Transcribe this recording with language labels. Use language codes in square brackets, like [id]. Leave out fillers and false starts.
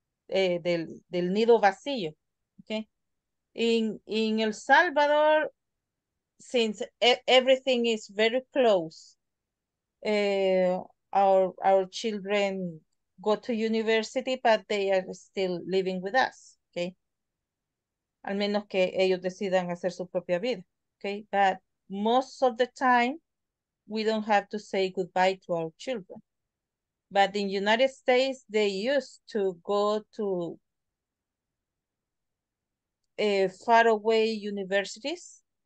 [es] Del nido vacío, [en] okay? In El Salvador, since everything is very close, our children go to university, but they are still living with us, okay? [es] Al menos que ellos decidan hacer su propia vida, okay? [en] But most of the time, we don't have to say goodbye to our children. But in United States, they used to go to faraway universities.